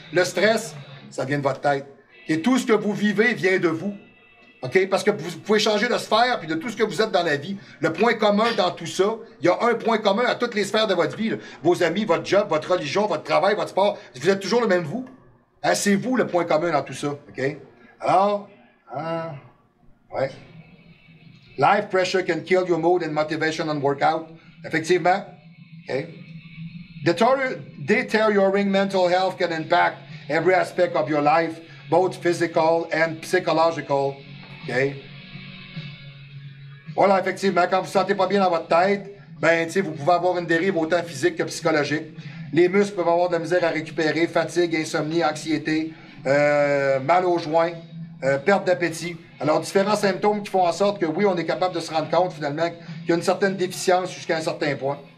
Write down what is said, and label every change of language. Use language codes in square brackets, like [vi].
[fr] Le stress, ça vient de votre tête. Et tout ce que vous vivez vient de vous. OK? Parce que vous pouvez changer de sphère puis de tout ce que vous êtes dans la vie. Le point commun dans tout ça, il y a un point commun à toutes les sphères de votre vie. Là. Vos amis, votre job, votre religion, votre travail, votre sport, vous êtes toujours le même vous. Hein, c'est vous le point commun dans tout ça. OK? Alors, ouais. [en] Life pressure can kill your mood and motivation on workout. Effectivement. OK? Deteriorating mental health can impact every aspect of your life, both physical and psychological. OK? [fr] Voilà, effectivement, quand vous ne vous sentez pas bien dans votre tête, ben, tu sais, vous pouvez avoir une dérive autant physique que psychologique. Les muscles peuvent avoir de la misère à récupérer, fatigue, insomnie, anxiété, mal aux joints, perte d'appétit. Alors, différents symptômes qui font en sorte que, oui, on est capable de se rendre compte, finalement, qu'il y a une certaine déficience jusqu'à un certain point.